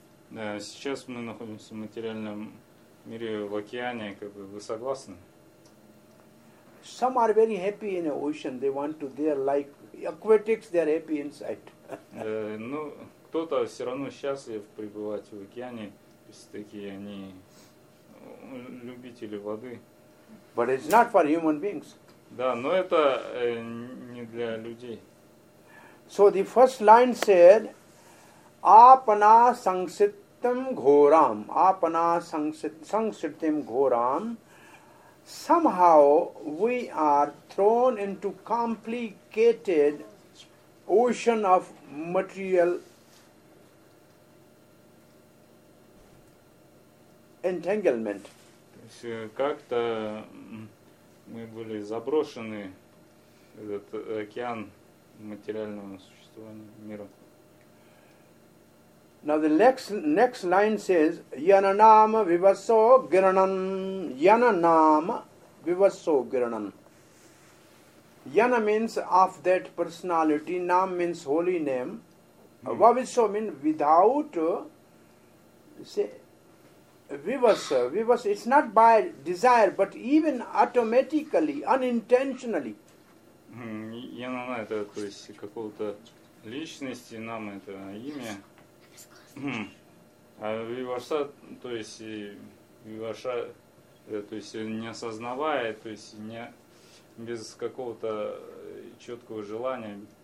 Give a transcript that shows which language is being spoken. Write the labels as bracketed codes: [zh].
[ru] Да, сейчас мы находимся в материальном мире, в океане, как бы вы согласны? [en] Some are very happy in the ocean, they want to, they are like aquatics, they are happy inside. [ru] Ну, кто-то все равно счастлив пребывать в океане, все-таки они любители воды. [en] But it's not for human beings. [ru] Да, но это не для людей. [en] So the first line said, [sa] Apana sangsittam ghoram. Apana sangsittam ghoram. [en] Somehow we are thrown into complicated ocean of material entanglement. [ru] Как-то мы были заброшены в этот океан материального существования мира. [en] Now the next line says [sa] Yananama Vivaso Giranan. Yananama Vivaso Giranan. [en] Yana means of that personality, Nam means holy name. Vaviso means without, say, Vivasa, Vivasa, it's not by desire, but even automatically, unintentionally. [ru] Янана, это, то есть, какого-то личности, нам это имя. А Виваса, то есть, Виваша, то есть, не осознавая, то есть, не без какого-то четкого желания.